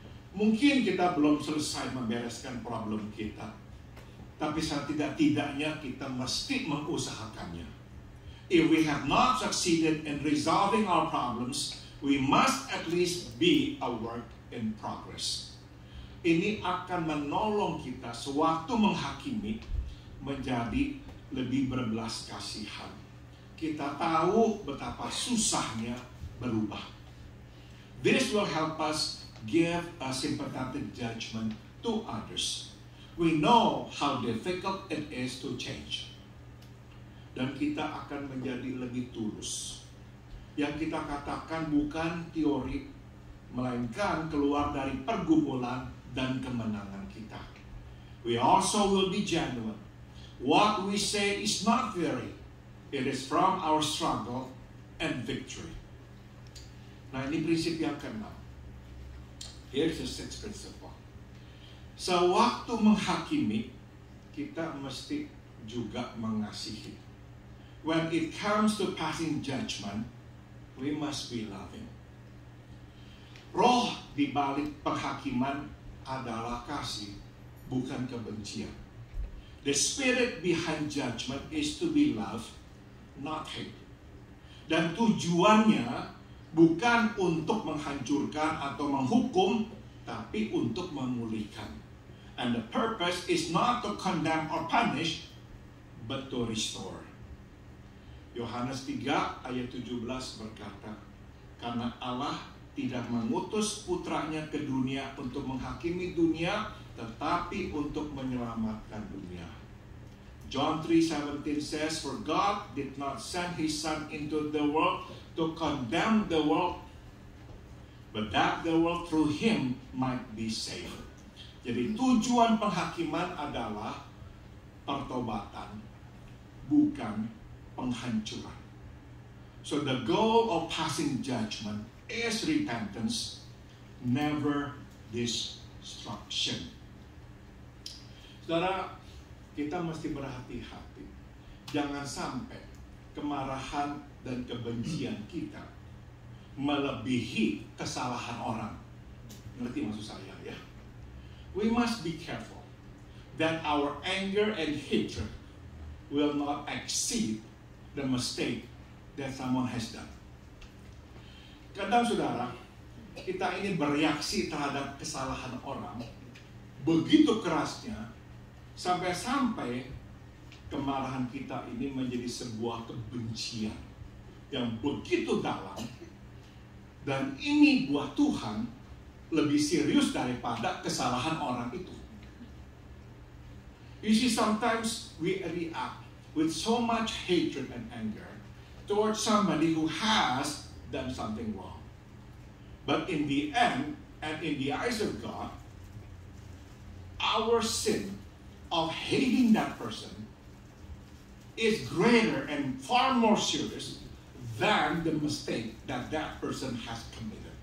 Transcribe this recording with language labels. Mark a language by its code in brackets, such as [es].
[id] Mungkin kita belum selesai membereskan problem kita, tapi setidak-tidaknya kita mesti mengusahakannya. [en] If we have not succeeded in resolving our problems, we must at least be a work in progress. [id] Ini akan menolong kita sewaktu menghakimi menjadi lebih berbelas kasihan. Kita tahu betapa susahnya berubah. [en] This will help us give a sympathetic judgment to others. We know how difficult it is to change. [id] Dan kita akan menjadi lebih tulus. Yang kita katakan bukan teori, melainkan keluar dari pergumulan dan kemenangan kita. [en] We also will be genuine. What we say is not theory. It is from our struggle and victory. [id] Nah, ini prinsip yang keenam. [en] Here's the sixth principle. [id] Sewaktu menghakimi, kita mesti juga mengasihi. [en] When it comes to passing judgment, we must be loving. [id] Roh di balik penghakiman adalah kasih, bukan kebencian. [en] The spirit behind judgment is to be love, not hate. [id] Dan tujuannya bukan untuk menghancurkan atau menghukum, tapi untuk memulihkan. [en] And the purpose is not to condemn or punish, but to restore. [id] Yohanes 3 ayat 17 berkata, karena Allah tidak mengutus putranya ke dunia untuk menghakimi dunia, tetapi untuk menyelamatkan dunia. [en] John 3:17 says, for God did not send his son into the world to condemn the world, but that the world through him might be saved. [id] Jadi tujuan penghakiman adalah pertobatan, bukan penghancuran. [en] So the goal of passing judgment is repentance, never destruction. [id] Saudara, kita mesti berhati-hati. Jangan sampai kemarahan dan kebencian kita melebihi kesalahan orang. Ngerti maksud saya ya? [en] We must be careful that our anger and hatred will not exceed the mistake that someone has done. [id] Kadang saudara, kita ini bereaksi terhadap kesalahan orang begitu kerasnya, sampai-sampai kemarahan kita ini menjadi sebuah kebencian yang begitu dalam, dan ini buat Tuhan lebih serius daripada kesalahan orang itu. [en] You see, sometimes we react with so much hatred and anger towards somebody who has done something wrong. But in the end, and in the eyes of God, our sin of hating that person is greater and far more serious than the mistake that that person has committed.